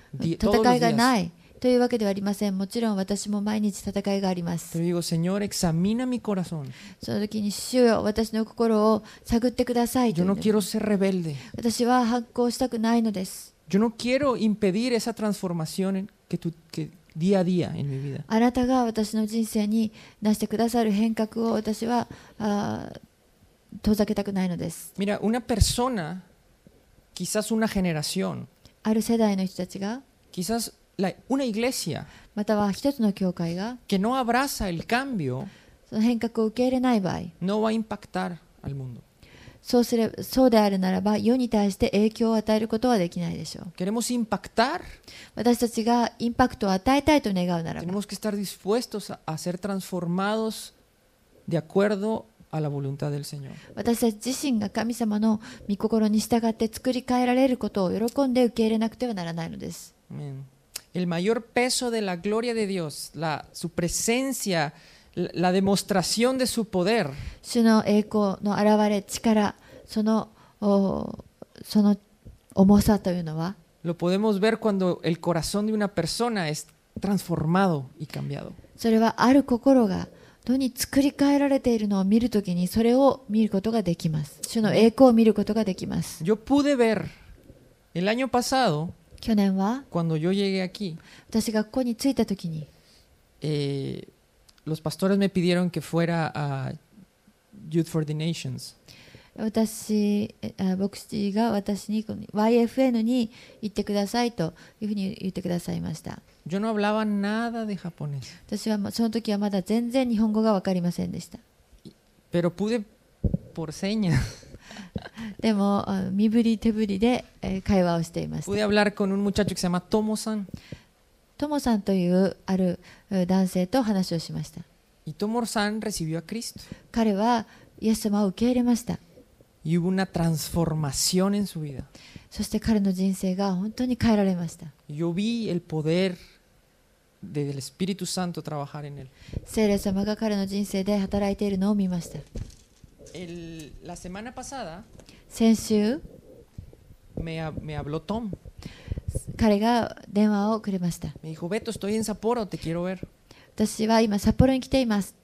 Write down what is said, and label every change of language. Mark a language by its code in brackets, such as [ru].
[ja] 戦いがないというわけではありません。もちろん私も毎日戦いがあります。 [es] Pero digo, Señor, examina mi corazón. [ja] その時に主よ、私の心を探ってください。 [es] Yo no quiero ser rebelde. [ja] 私は反抗したくないのです。 [es] Yo no quiero impedir esa transformación que tú, que día a día en mi vida. [ja] あなたが私の人生になしてくださる変革を私は遠ざけたくないのです。 [es] Mira, una persona, quizás una generación, [ja] ある世代の人たちが [es] quizás una iglesia, [ja] または一つの教会が [es] que no abraza el cambio, [ja] その変革を受け入れない場合、 [es] no va a impactar al mundo. [ja] そうすれそうであるならば世に対して影響を与えることはできないでしょう。 [es] Queremos impactar? [ja] 私たちがインパクトを与えたいと願うならば、 [es] Tenemos que estar dispuestos a ser transformados de acuerdo a la voluntad del Señor. [ja] 私たち自身が神様の御心に従って作り変えられることを喜んで受け入れなくてはならないのです。 [es] Amen. El mayor peso de la gloria de Dios, la su presencia. La demostración de su poder. [ja] 主の栄光の現れ力その重さというのは [es] Lo podemos ver cuando el corazón de una persona es transformado y cambiado. [ja] それはある心が人に作り変えられているのを見るときにそれを見ることができます。主の栄光を見ることができます。 [es] Yo pude ver el año pasado, [ja] 去年は [es] cuando yo llegué aquí, [ja] 私がここに着いたときに、 [es] Los pastores me pidieron que fuera a Youth for the Nations. [ja] 私、牧師が私に YFN に行ってくださいというふうに言ってくださいました。 [es] Yo no hablaba nada de japonés. [ja] 私はその時はまだ全然日本語が分かりませんでした。 [es] Pero pude por señas. [ja] でも身振り手振りで会話をしていました。 [es] Pude hablar con un muchacho que se llama Tomo-san. [ja] トモさんというある男性と話をしました。 [es] イトモさん recibió a Cristo. [ja] 彼はイエス様を受け入れました。 [es] Y hubo una transformación en su vida. [ja] そして彼の人生が本当に変えられました。 [es] Yo vi el poder del Espíritu Santo trabajar en él. [ja] 聖霊様が彼の人生で働いているのを見ました。 [es] La semana pasada, [ja] 先週、 [es] me habló Tom. [ja] 彼が電話をくれました。私は今札幌に来ています。